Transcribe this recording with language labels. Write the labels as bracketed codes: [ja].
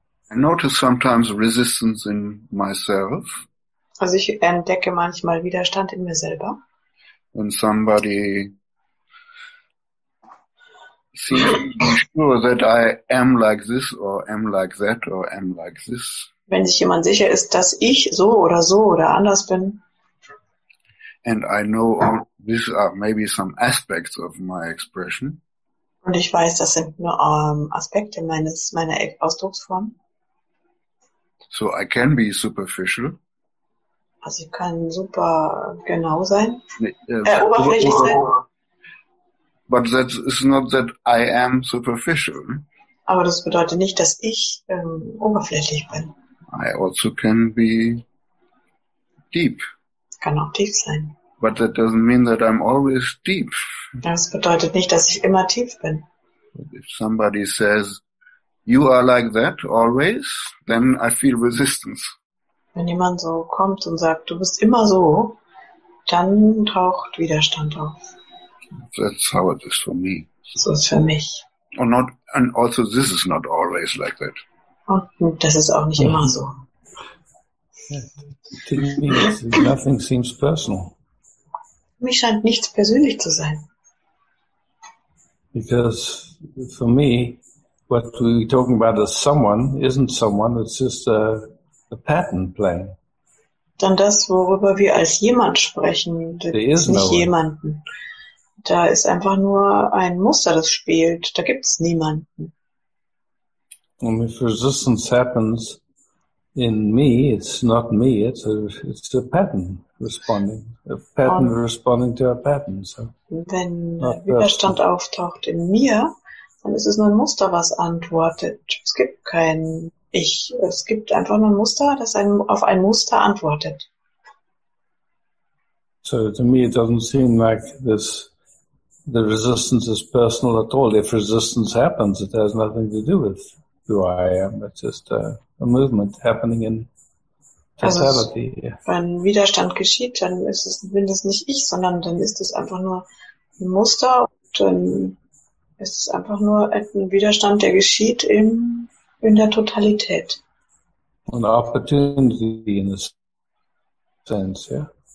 [en] I notice sometimes resistance in myself. [de] Also ich entdecke manchmal Widerstand in mir selber. [en] When somebody seems sure that I am like this or am like that or am like this. [de] Wenn sich jemand sicher ist, dass ich so oder anders bin. [en] And I know these are maybe some aspects of my expression. [de] Und ich weiß, das sind nur Aspekte meiner Ausdrucksform. [en] So I can be superficial. [de] Also ich kann super genau sein. Oberflächlich sein. [en] But that is not that I am superficial. [de] Aber das bedeutet nicht, dass ich oberflächlich bin. [en] I also can be deep. [de] Kann auch tief sein. [en] But that doesn't mean that I'm always deep. [de] Das bedeutet nicht, dass ich immer tief bin. [en] If somebody says, you are like that always, then I feel resistance. [de] Wenn jemand so kommt und sagt, du bist immer so, dann taucht Widerstand auf. [en] That's how it is for me. [de] So ist für mich. [en] And also this is not always like that. [de] Und das ist auch nicht immer so. [en] Nothing seems personal. [de] Mich scheint nichts persönlich zu sein. [en] Because for me, what we're talking about as someone isn't someone, it's just a pattern playing. [de] Dann das, worüber wir als jemand sprechen, das ist nicht jemanden. Da ist einfach nur ein Muster, das spielt. Da gibt es niemanden. [en] And if resistance happens in me, it's not me, it's a pattern. Responding, a pattern responding to a pattern. So, [de] wenn Widerstand auftaucht in mir, dann ist es nur ein Muster, was antwortet. Es gibt kein Ich. Es gibt einfach nur ein Muster, das auf ein Muster antwortet. [en] So to me it doesn't seem like this, the resistance is personal at all. If resistance happens, it has nothing to do with who I am. It's just a movement happening in. [de] Also, wenn Widerstand geschieht, dann ist es mindestens nicht ich, sondern dann ist es einfach nur ein Muster und dann ist es einfach nur ein Widerstand, der geschieht in der Totalität. [en] An opportunity in a sense, yeah?